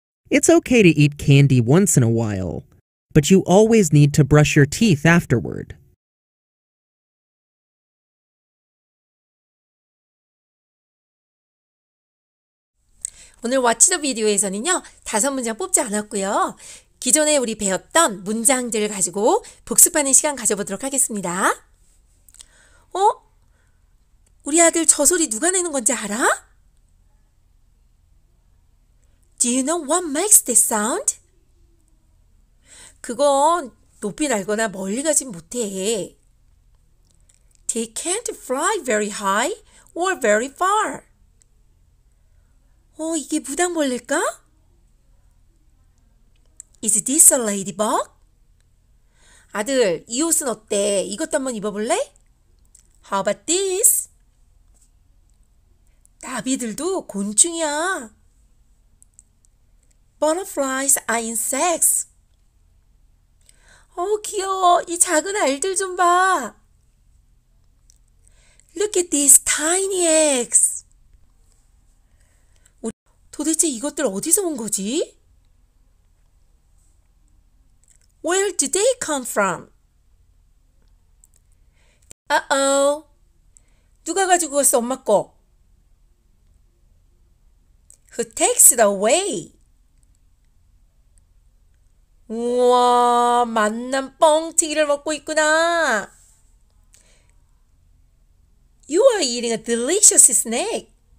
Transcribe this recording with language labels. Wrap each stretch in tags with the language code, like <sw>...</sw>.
<en>It's okay to eat candy once in a while, but you always need to brush your teeth afterward. Today's Watch the Video, we didn't choose 5 sentences.</en> <ko>기존에 우리 배웠던 문장들을 가지고 복습하는 시간 가져보도록 하겠습니다. 어? 우리 아들 저 소리 누가 내는 건지 알아?</ko> <en>Do you know what makes this sound?</en> <ko>그건 높이 날거나 멀리 가진 못해.</ko> <en>They can't fly very high or very far.</en> <ko>어? 이게 무당벌레일까?</ko> <en>Is this a ladybug?</en> <ko>아들, 이 옷은 어때? 이것도 한번 입어볼래?</ko> <en>How about this?</en> <ko>나비들도 곤충이야.</ko> <en>Butterflies are insects.</en> <ko>어우, 귀여워. 이 작은 알들 좀 봐.</ko> <en>Look at these tiny eggs.</en> <ko>도대체 이것들 어디서 온 거지?</ko> <en>Where did they come from? Uh-oh.</en> <ko>누가 가지고 갔어, 엄마 거?</ko> <en>Who takes it away?</en> <ko>우와, 만난 뻥튀기를 먹고 있구나.</ko> <en>You are eating a delicious snack.</en>